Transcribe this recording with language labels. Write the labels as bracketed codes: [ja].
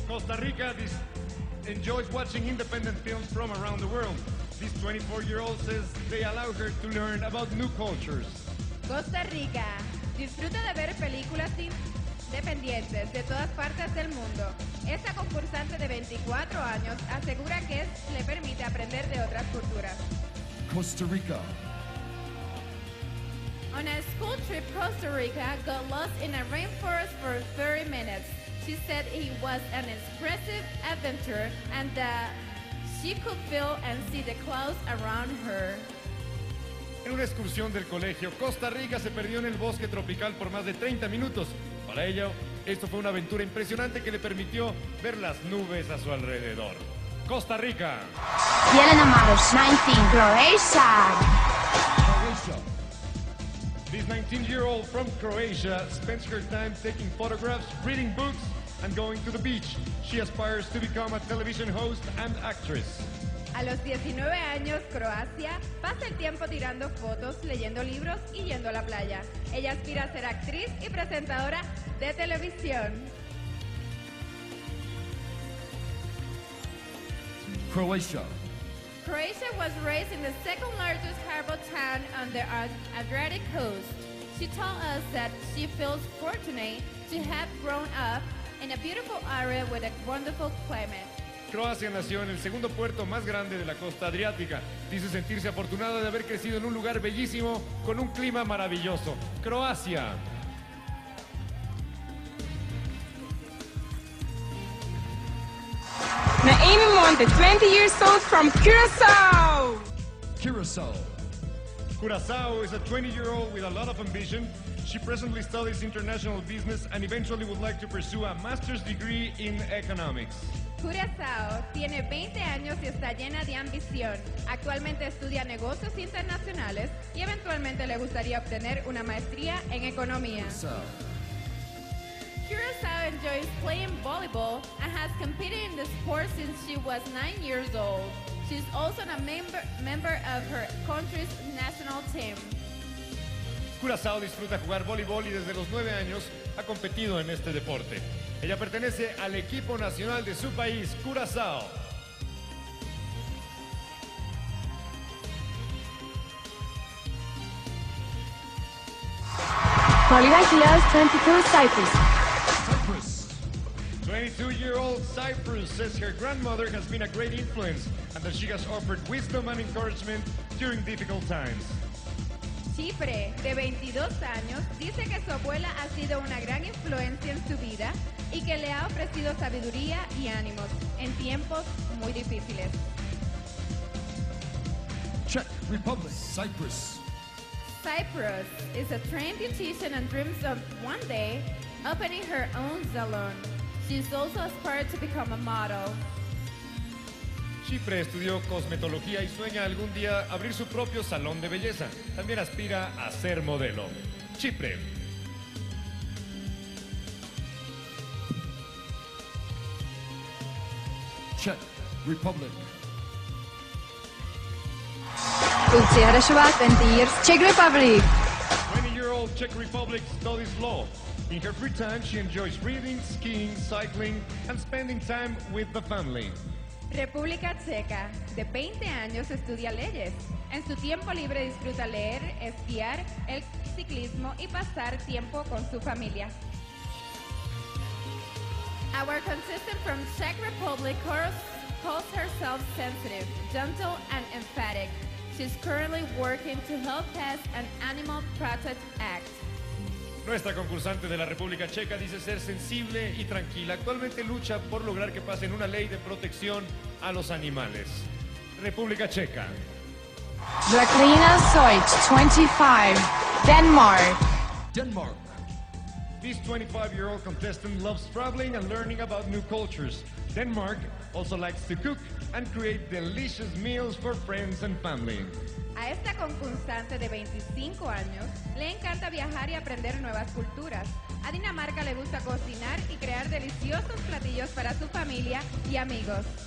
[en] Costa Rica enjoys watching independent films from around the world. This 24-year-old says they allow her to learn about new cultures. [es] Costa Rica disfruta de ver películas independientes de todas partes del mundo. Esta concursante de 24 años asegura que le permite aprender de otras culturas. Costa Rica. [en] On a school trip, Costa Rica got lost in a rainforest for 30 minutes. She said it was an impressive adventure and that she could feel and see the clouds around her. [es] En una excursión del colegio, Costa Rica se perdió en el bosque tropical por más de 30 minutos. Para ella, esto fue una aventura impresionante que le permitió ver las nubes a su alrededor. Costa Rica. [en] Yelena Maros, 19, Croatia. This 19-year-old from Croatia spends her time taking photographs, reading books, and going to the beach. She aspires to become a television host and actress. [es] A los 19 años, Croacia pasa el tiempo tirando fotos, leyendo libros y yendo a la playa. Ella aspira a ser actriz y presentadora de televisión. [en] Croatia. Croatia was raised in the second largest harbor town on the Adriatic coast. She told us that she feels fortunate to have grown up in a beautiful area with a wonderful climate. [es] Croacia nació en el segundo puerto más grande de la costa adriática. Dice sentirse afortunada de haber crecido en un lugar bellísimo con un clima maravilloso. Croacia. [en] Naomi Monte, 20 years old, from Curaçao. Curaçao. Curaçao is a 20-year-old with a lot of ambition. She presently studies international business and eventually would like to pursue a master's degree in economics. [es] Curaçao tiene 20 años y está llena de ambición. Actualmente estudia negocios internacionales y eventualmente le gustaría obtener una maestría en economía. Curaçao. [en] Curaçao enjoys playing volleyball and has competed in the sport since she was 9 years old. She's also a member of her country's national team. [es] Curaçao disfruta jugar voleibol y desde los 9 años ha competido en este deporte. Ella pertenece al equipo nacional de su país, Curaçao. [en] Florida Gilles, 22, Cyprus. 22-year-old Cyprus says her grandmother has been a great influence and that she has offered wisdom and encouragement during difficult times. [es] Chipre, de 22 años, dice que su abuela ha sido una gran influencia en su vida y que le ha ofrecido sabiduría y ánimos en tiempos muy difíciles. [en] Czech Republic, Cyprus. Cyprus is a trained beautician and dreams of one day opening her own salon. She's also aspired to become a model. [es] Chipre estudió cosmetología y sueña algún día abrir su propio salón de belleza. También aspira a ser modelo. Chipre. [en] Czech Republic. Czechoslovakia 20 years, Czech Republic. 20-year-old Czech Republic studies law. In her free time, she enjoys reading, skiing, cycling, and spending time with the family. [es] República Checa, de 20 años, estudia leyes. En su tiempo libre disfruta leer, esquiar, el ciclismo y pasar tiempo con su familia. [en] Our contestant from Czech Republic calls herself sensitive, gentle, and empathic. She's currently working to help pass an Animal Protect Act. [es] Nuestra concursante de la República Checa dice ser sensible y tranquila. Actualmente lucha por lograr que pasen una ley de protección a los animales. República Checa. [en] Jacqueline Soich, 25, Denmark. Denmark. This 25-year-old contestant loves traveling and learning about new cultures. Denmark also likes to cook and create delicious meals for friends and family. [es] A esta concursante de 25 años le encanta viajar y aprender nuevas culturas. A Dinamarca le gusta cocinar y crear deliciosos platillos para su familia y amigos.